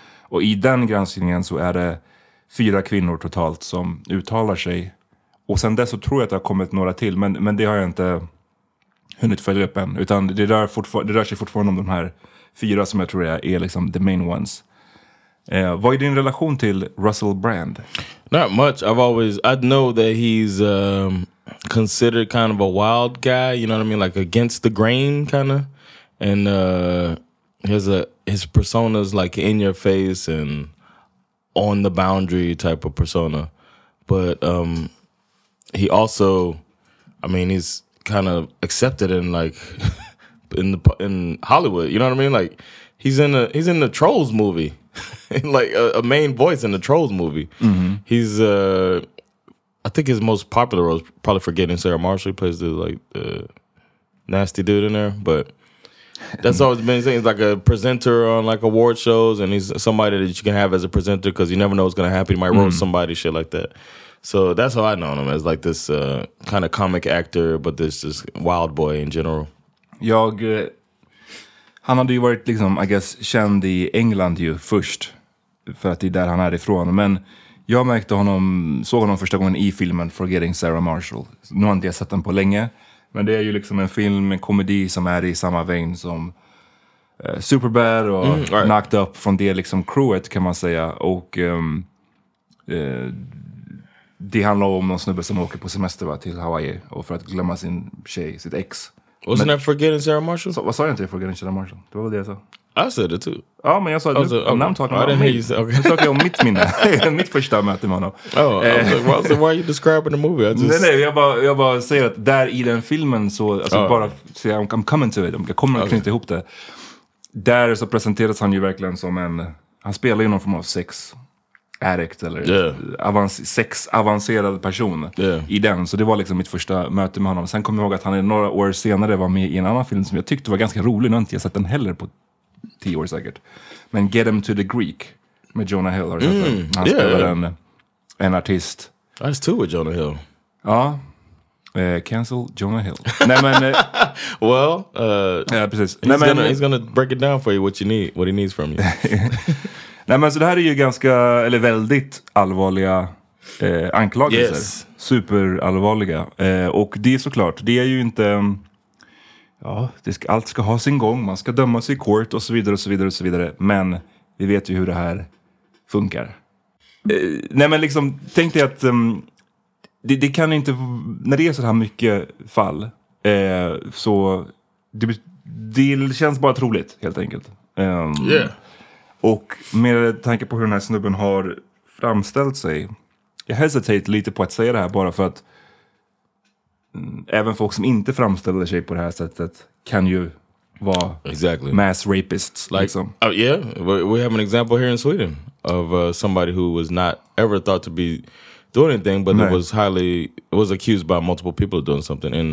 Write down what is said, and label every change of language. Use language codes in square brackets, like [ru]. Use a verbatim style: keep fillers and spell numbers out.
[sv] Och i den granskningen så är det fyra kvinnor totalt som uttalar sig. Och sen dess så tror jag att det har kommit några till, men, men det har jag inte hunnit följa upp än. Utan det rör, fortfar- det rör sig fortfarande om de här fyra som jag tror är, är liksom [en] the main ones. [sv] Uh, vad är din relation till Russell Brand? [en] Not much. I've always, I know that he's um, considered kind of a wild guy, you know what I mean? Like against the grain kind of. And uh, his, uh, his persona's like in your face and on the boundary type of persona. But um, he also, I mean, he's kind of accepted in like... in the in Hollywood, you know what I mean? Like he's in a he's in the Trolls movie, like a, a main voice in the Trolls movie. Mm-hmm. He's uh, I think his most popular role is probably Forgetting Sarah Marshall. He plays the like uh, nasty dude in there, but that's always been his thing. He's like a presenter on like award shows, and he's somebody that you can have as a presenter because you never know what's gonna happen. He might roast mm. somebody, shit like that. So that's how I know him, as like this uh, kind of comic actor, but this this wild boy in general. [sv] Jag, han hade ju varit liksom, [en] I guess, [sv] känd i England ju först, för att det är där han är ifrån. Men jag märkte honom, såg honom första gången i filmen Forgetting Sarah Marshall. Nu har inte jag sett den på länge, men det är ju liksom en film, en komedi som är i samma vein som eh, Superbad och mm, right. Knocked Up, från det liksom crewet kan man säga. Och um, eh, det handlar om någon snubbe som åker på semester va, till Hawaii och för att glömma sin tjej, sitt ex. [en] Wasn't [sv] men, [en] that Forgetting Sarah Marshall? [sv] Vad sa jag inte Forgetting Sarah Marshall? Det var väl det jag sa. [en] I said it too. [sv] Ja, men jag sa att nu pratar jag om mitt minne. Mitt första möte med honom. [en] Oh, I was like, well, so why are you describing the movie? I just... [sv] Nej, nej, jag bara, jag bara säger att där i den filmen så, alltså oh. bara, så jag, [en] I'm coming to it, [sv] jag kommer att okay. knyta ihop det. Där så presenteras han ju verkligen som en, han spelar ju någon form av sex addict eller [en] yeah. [sv] avance, sex avancerad person [en] yeah. [sv] i den. Så det var liksom mitt första möte med honom. Sen kommer jag ihåg att han några år senare var med i en annan film som jag tyckte var ganska rolig. Nu har inte jag sett den heller på tio år säkert. Men Get Him to the Greek med Jonah Hill. Har mm. Han yeah, spelar yeah. En, en artist. [en] That's two with Jonah Hill. [sv] Ja. Uh, [en] cancel Jonah Hill. [sv] Nej men... Uh, [en] well, uh, [sv] ja, precis. [en] He's, [sv] Nej, men, [en] gonna, he's gonna break it down for you what you need, what he needs from you. [sv] Nej, men så det här är ju ganska, eller väldigt allvarliga eh, anklagelser. [en] Yes. [sv] Superallvarliga. Eh, och det är såklart, det är ju inte, ja, det ska, allt ska ha sin gång. Man ska döma sig i court och så vidare och så vidare och så vidare. Men vi vet ju hur det här funkar. Eh, nej, men liksom, tänk dig att um, det, det kan inte, när det är så här mycket fall, eh, så det, det känns bara troligt, helt enkelt. [en] Um, yeah. [sv] Och med tanke på hur den här snubben har framställt sig, jag hesiterar lite på att säga det här bara för att mm, även folk som inte framställer sig på det här sättet kan ju vara [en] exactly. mass rapists. Like, [sv] liksom. [en] Oh yeah, we have an example here in Sweden of uh, somebody who was not ever thought to be doing anything, but it was highly, it was accused by multiple people of doing something.